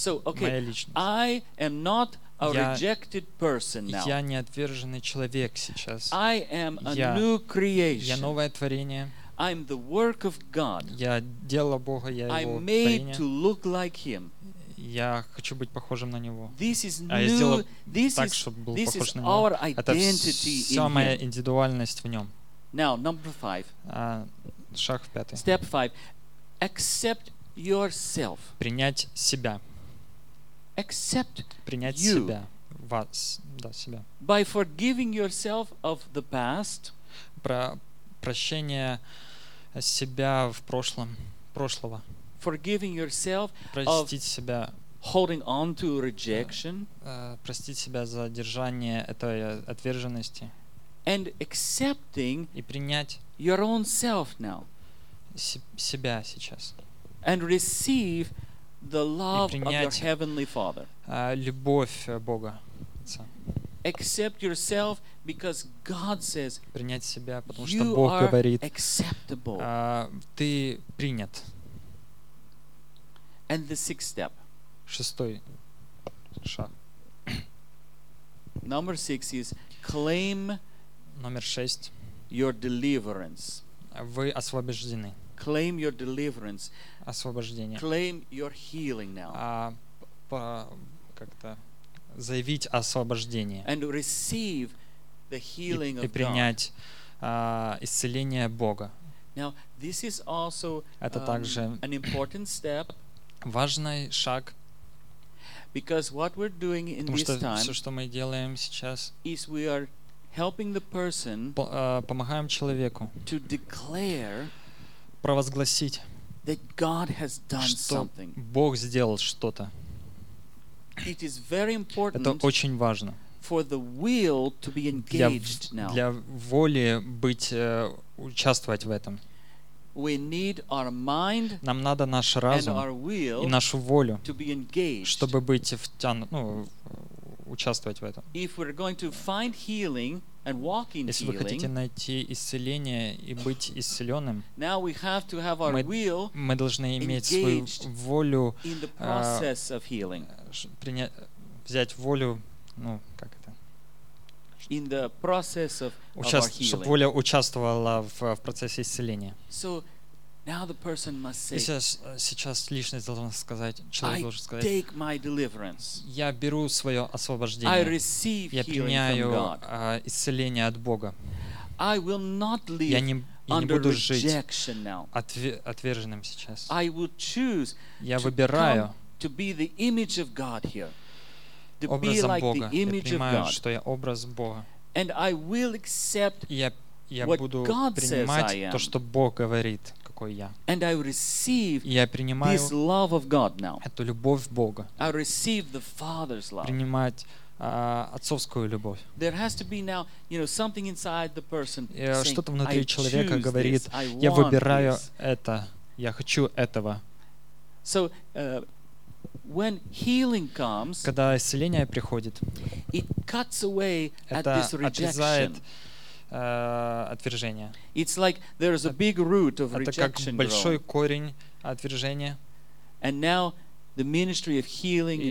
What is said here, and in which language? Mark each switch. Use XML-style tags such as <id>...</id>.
<en>So okay, I am not a rejected person now.</en> <ru>Я не отверженный человек сейчас.</ru> <en>I am a new creation.</en> <ru>Я новое творение.</ru> <en>I'm the work of God.</en> <ru>Я дело Бога, я Его творение.</ru> <en>I'm made to look like Him.</en> <ru>Я хочу быть похожим на Него.</ru> <en>This is This is our identity in Him.</en> <ru>Это вся моя индивидуальность в Нем.</ru> <en>Now, number five.</en> <ru>Шаг в пятый.</ru> <en>Step five. Accept yourself.</en> <ru>Принять себя.</ru> <en>Accept you.</en> <ru>Принять себя. Вас, да, себя.</ru> <en>By forgiving yourself of the past.</en> <ru>Прощение себя в прошлом, прошлого.</ru> <en>Forgiving yourself of holding on to rejection.</en> <ru>Простить себя за держание этой отверженности.</ru> <en>And accepting</en> <ru>и принять</ru> <en>your own self now.</en> <ru>Себя сейчас.</ru> <en>And receive the love of your heavenly Father.</en> <ru>Любовь Бога.</ru> <en>Accept yourself because God says</en> <ru>принять себя, потому</ru> <en>you</en> <ru>что Бог</ru> <en>are</en> <ru>говорит,</ru> <en>acceptable.</en> <ru>Ты принят.</ru> <en>And the sixth step.</en> <ru>Шестой шаг.</ru> <en>Number six is claim</en> <ru>Номер шесть.</ru> <en>Your deliverance.</en> <ru>Вы освобождены.</ru> <en>Claim your deliverance.</en> <ru>Освобождение.</ru> <en>Claim your healing now.</en> <ru>Как-то заявить освобождение</ru> <en>and receive the healing</en> <ru>и принять исцеление Бога.</ru> <en>Now, this is also,</en> <ru>это также</ru> <en>an important step,</en> <ru>важный шаг,</ru> <en>because what we're doing in</en> <ru>потому что</ru> <en>this time,</en> <ru>все, что мы делаем сейчас,</ru> <en>is we are helping the person</en> <ru>помогаем человеку</ru> <en>to declare</en> <ru>провозгласить,</ru> <en>that God has done</en> <ru>что</ru> <en>something.</en> <ru>Бог сделал что-то.</ru> <en>It is very important.</en> <ru>Это очень важно.</ru> <en>For the will to be engaged now.</en> <ru>Для воли быть участвовать в этом.</ru> <en>We need our mind.</en> <ru>Нам надо наш разум и нашу волю,</ru> <en>to be engaged.</en> <ru>Чтобы быть ну, участвовать в этом.</ru> <en>If we're going to find healing and walk in healing.</en> <ru>Если вы хотите найти исцеление и быть исцеленным.</ru> <en>Now we have to have our will.</en> <ru>Мы должны иметь свою волю.</ru> <en>In the process of healing.</en> <ru>Взять волю, ну, как это,</ru> <en>in the process of</en> <ru>чтобы воля участвовала в процессе исцеления.</ru> <en>So now the person must say,</en> <ru>сейчас личность должна сказать, человек должен сказать,</ru> <en>I take my deliverance.</en> <ru>Я беру свое освобождение.</ru> <en>I receive healing from God.</en> <ru>Я принимаю исцеление от Бога.</ru> <en>I will not live under rejection now.</en> <ru>Отверженным сейчас.</ru> <en>I will choose</en> <ru>Я выбираю</ru> <en>to be the image of God here. To be like</en> <ru>Бога.</ru> <en>The image</en> <ru>я принимаю,</ru> <en>of God.</en> <ru>Что я образ Бога.</ru> <en>And I will accept</en> <ru>я</ru> <en>what God says I am.</en> <ru>То, что Бог говорит, какой я.</ru> <en>And I receive</en> <ru>я принимаю</ru> <en>this love of God now.</en> <ru>Эту любовь Бога.</ru> <en>I receive the Father's love.</en> <ru>Принимать отцовскую любовь.</ru> <en>There has to be now, you know, something inside the person.</en> <ru>Что-то внутри человека говорит, я выбираю это, я хочу этого.</ru> <en>So, when healing comes,</en> <ru>когда исцеление приходит,</ru> <en>it cuts away at</en> <ru>это</ru> <en>this rejection.</en> <ru>Отрезает отвержение.</ru> <en>It's like there is a big root of rejection.</en> <ru>Это как большой корень отвержения.</ru> <en>And now the ministry of healing</en>